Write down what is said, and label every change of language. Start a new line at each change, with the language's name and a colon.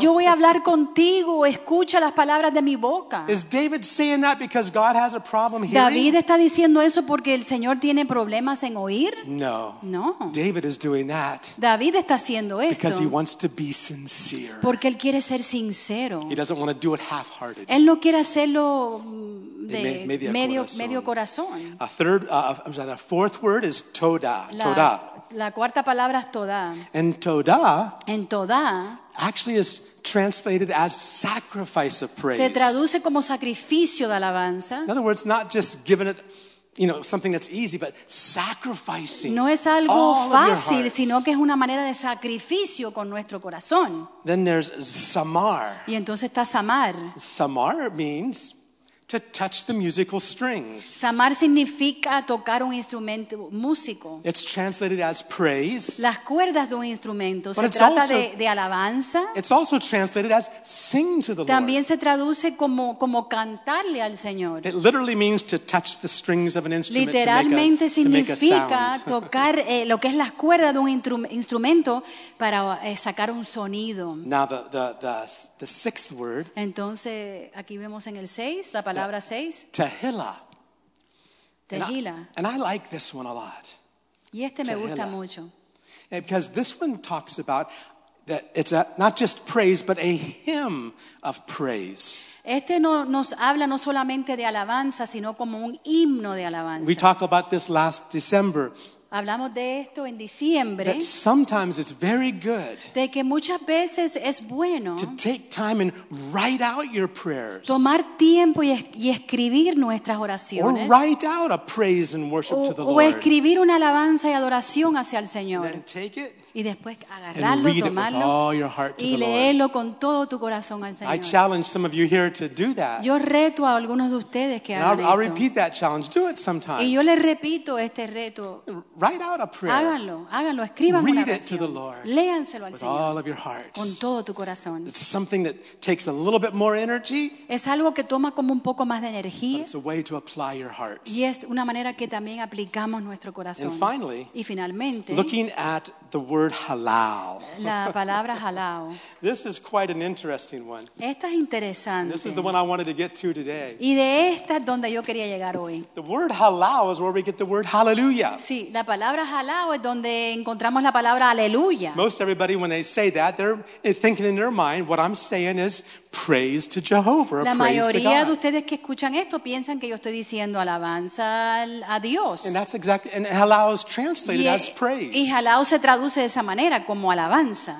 Spanish: Yo voy a hablar contigo, escucha las palabras de mi boca.
English: Is David saying that because God has a problem hearing?
Spanish: David está diciendo eso porque el Señor tiene problemas en oír?
English: No.
Spanish: No.
English: David is doing that.
Spanish: David está haciendo esto.
English: Because he wants to be sincere.
Spanish: Porque él quiere ser sincero.
English: He doesn't want to do it half-hearted.
Spanish: Él no quiere hacerlo de medio corazón.
English: The fourth word is toda. Toda.
Spanish: La cuarta palabra es toda.
English: And toda.
Spanish: En toda.
English: Actually is translated as sacrifice of praise.
Spanish: Se traduce como sacrificio de alabanza.
English: In other words, not just giving it, you know, something that's easy, but sacrificing.
Spanish: No es algo fácil, sino que es una manera de sacrificio con nuestro corazón.
English: Then there's zamar.
Spanish: Y entonces está zamar.
English: Zamar means to touch the musical strings.
Spanish: Zamar significa tocar un instrumento músico.
English: It's translated as praise.
Spanish: Las cuerdas de un instrumento. Se trata de alabanza.
English: It's also translated as sing to the Lord.
Spanish: También se traduce como cantarle al Señor.
English: It literally means to touch the strings of an instrument.
Spanish: Literalmente significa
English: to make a sound.
Spanish: Tocar lo que es las cuerdas de un instrumento para sacar un sonido.
English: Now the sixth word.
Spanish: Entonces aquí vemos en el 6 la palabra 6.
English: Tehillah.
Spanish: Tehillah.
English: And I like this one a lot.
Spanish: Y este Tehillah. Me gusta mucho.
English: And because this one talks about that it's a, not just praise, but a hymn of praise.
Spanish: Este no, nos habla no solamente de alabanza, sino como un himno de alabanza.
English: We talked about this last December.
Spanish: Hablamos de esto en diciembre.
English: That sometimes it's very good.
Spanish: De que muchas veces es bueno.
English: To take time and write out your prayers.
Spanish: Tomar tiempo y escribir nuestras oraciones.
English: Or write out a praise and worship to the Lord.
Spanish: O escribir una alabanza y adoración hacia el Señor.
English: And then take it.
Spanish: Y después agarrarlo, tomarlo.
English: And read it with all your heart to the Lord.
Spanish: Y leerlo con todo tu corazón al Señor.
English: I challenge some of you here to do that.
Spanish: Yo reto a algunos de ustedes que hagan esto.
English: I'll repeat that challenge. Do it sometime.
Spanish: Y yo les repito este reto.
English: Write out a prayer.
Spanish: Háganlo, háganlo, escriban
English: read
Spanish: una oración.
English: It to the Lord.
Spanish: Léanselo al
English: with
Spanish: Señor.
English: All of your heart.
Spanish: Con todo tu corazón.
English: It's something that takes a little bit more energy.
Spanish: Es algo que toma como un poco más de energía.
English: But it's a way to apply your hearts.
Spanish: Y es una manera que también aplicamos nuestro corazón.
English: And finally,
Spanish: y finalmente,
English: looking at the word halal.
Spanish: La palabra halal.
English: This is quite an interesting one.
Spanish: Esta es interesante.
English: This is the one I wanted to get to today.
Spanish: Y de esta es donde yo quería llegar hoy.
English: The word halal is where we get the word hallelujah.
Spanish: Sí, la palabra halal es donde encontramos la palabra aleluya.
English: Most everybody, when they say that, they're thinking in their mind, what I'm saying is praise to Jehovah, praise to God.
Spanish: La mayoría de ustedes que escuchan esto piensan que yo estoy diciendo alabanza a Dios.
English: And that's exactly, and halal is translated as praise.
Spanish: Y halal se traduce de esa manera, como alabanza.